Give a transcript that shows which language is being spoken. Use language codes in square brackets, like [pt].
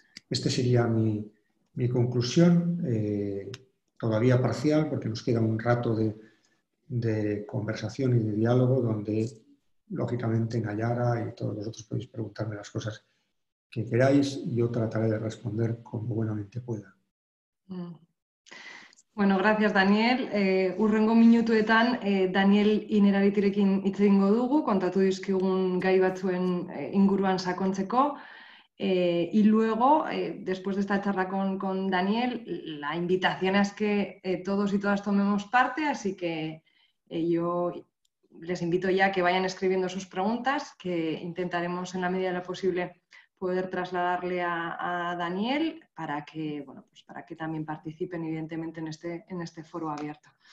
[es] Esta sería mi conclusión, todavía parcial, porque nos queda un rato de conversación y de diálogo donde, lógicamente, Nayara y todos vosotros podéis preguntarme las cosas que queráis y yo trataré de responder como buenamente pueda. Bueno, gracias, Daniel. [eu] Urrengo minutuetan, Daniel Inerarityrekin hitz egingo dugu, kontatu dizkigun gai batzuen inguruan sakontzeko. [es] Y luego, después de esta charla con Daniel, la invitación es que todos y todas tomemos parte, así que yo les invito ya a que vayan escribiendo sus preguntas, que intentaremos en la medida de lo posible poder trasladarle a Daniel para que, bueno, pues para que también participen, evidentemente, en este foro abierto.